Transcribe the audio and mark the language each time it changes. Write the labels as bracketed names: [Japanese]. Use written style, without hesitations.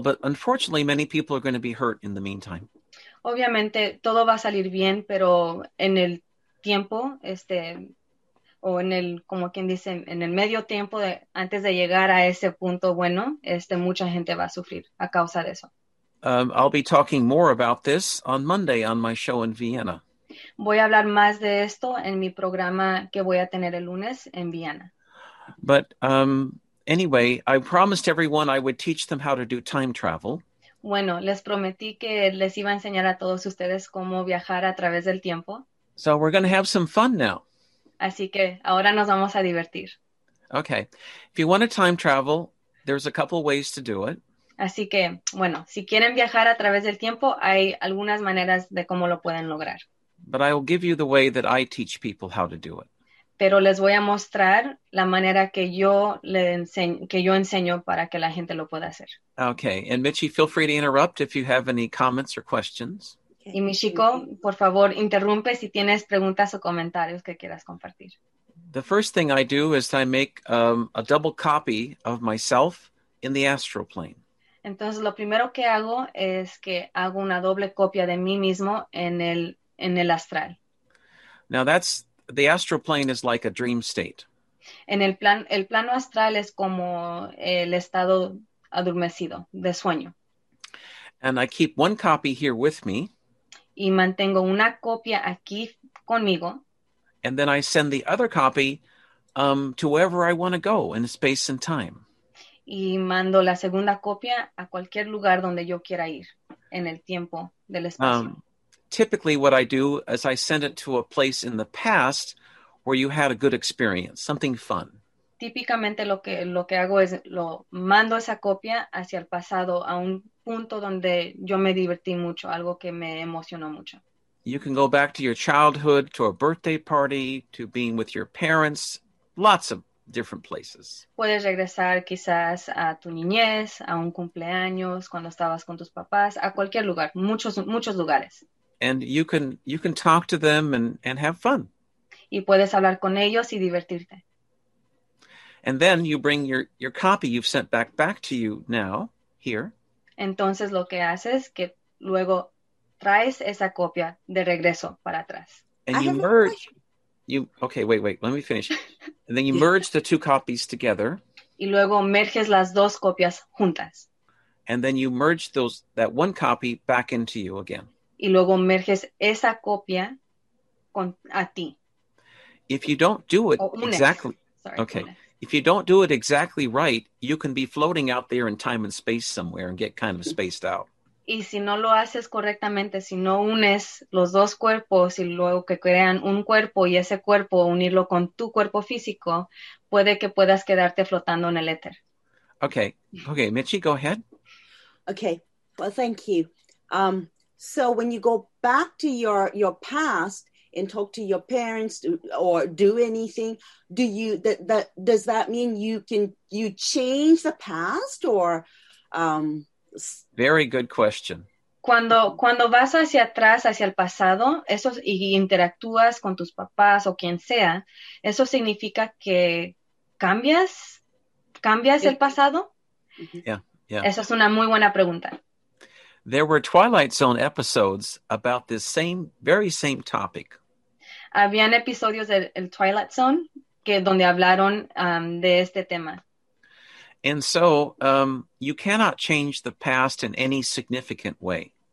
[English] But unfortunately, many people are going to be hurt in the meantime. [Spanish] Obviamente, todo va a salir bien, pero en el tiempo, o en el, como quien dice, en el medio tiempo, antes de llegar a ese punto bueno, mucha gente va a sufrir a causa de eso. [English] I'll be talking more about this on Monday on my show in Vienna. [Spanish] Voy a hablar más de esto en mi programa que voy a tener el lunes en Viena. [English] But anyway, I promised everyone I would teach them how to do time travel. [Spanish] Bueno, les prometí que les iba a enseñar a todos ustedes cómo viajar a través del tiempo. [English] So we're going to have some fun now. [Spanish] Así que ahora nos vamos a divertir. [English] Okay. If you want to time travel, there's a couple ways to do it. [Spanish] Así que, bueno, si quieren viajar a través del tiempo, hay algunas maneras de cómo lo pueden lograr. [English] But I will give you the way that I teach people how to do it. [Spanish] Pero les voy a mostrar la manera que yo enseño para que la gente lo pueda hacer. [English] Okay. And Michi, feel free to interrupt if you have any comments or questions. [Spanish] Y Michiko, por favor, interrumpe si tienes preguntas o comentarios que quieras compartir. [English] The first thing I do is I make a double copy of myself in the astral plane. [Spanish] Entonces, lo primero que hago es que hago una doble copia de mí mismo en el astral. [English] Now, that's the astral plane is like a dream state. [Spanish] En el plano astral es como el estado adormecido, de sueño. [English] And I keep one copy here with me. [Spanish] Y mantengo una copia aquí conmigo. [English] And then I send the other copy to wherever I want to go in space and time. [Spanish] Y mando la segunda copia a cualquier lugar donde yo quiera ir en el tiempo del espacio. [English] Typically what I do is I send it to a place in the past where you had a good experience, something fun. [Spanish] Típicamente lo que hago es lo mando esa copia hacia el pasado a un punto donde yo me divertí mucho, algo que me emocionó mucho. [English] You can go back to your childhood, to a birthday party, to being with your parents, lots of different places. [Spanish] Puedes regresar quizás a tu niñez, a un cumpleaños, cuando estabas con tus papás, a cualquier lugar, muchos lugares. [English] And you can talk to them and have fun. [Spanish] Y puedes hablar con ellos y divertirte. [English] And then you bring your copy you've sent back to you now, here. [Spanish] Entonces lo que haces es que luego traes esa copia de regreso para atrás. [English] And you merge. Okay, wait, let me finish. And then you merge the two copies together. [Spanish] Y luego merges las dos copias juntas. [English] And then you merge that one copy back into you again. [Spanish] Y luego merges esa copia con a ti. [English] If you don't do it exactly. Sorry, okay. If you don't do it exactly right, you can be floating out there in time and space somewhere and get kind of spaced out. [Spanish] Y si no lo haces correctamente, si no unes los dos cuerpos y luego que crean un cuerpo y ese cuerpo unirlo con tu cuerpo físico, puede que puedas quedarte flotando en el éter. [English] Okay. Okay, Michi, go ahead. Okay. Well, thank you. So when you go back to your past and talk to your parents or do anything, does that mean you change the past or Very good question. [Spanish] Cuando vas hacia atrás, hacia el pasado, eso y interactúas con tus papás o quien sea, eso significa que cambias el pasado? [English] Yeah. [Spanish] Esa es una muy buena pregunta. [English] There were Twilight Zone episodes about this very same topic. [Spanish] Habían episodios del Twilight Zone donde hablaron de este tema. [English] And so, you cannot change the past in any significant way.